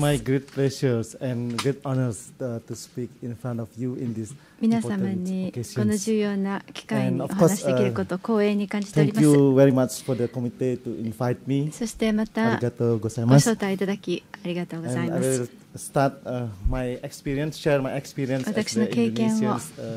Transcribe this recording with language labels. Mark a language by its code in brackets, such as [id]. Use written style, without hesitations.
[en] It's my great pleasure and great honor to speak in front of you in this important occasion. [ja] 皆様にこの重要な機会にお話しできることを光栄に感じております。 [en] Thank you very much for the committee to invite me. [ja] そしてまたありがとうございます。ご招待いただきありがとうございます。 [en] And I will start my experience, share my experience as the Indonesian's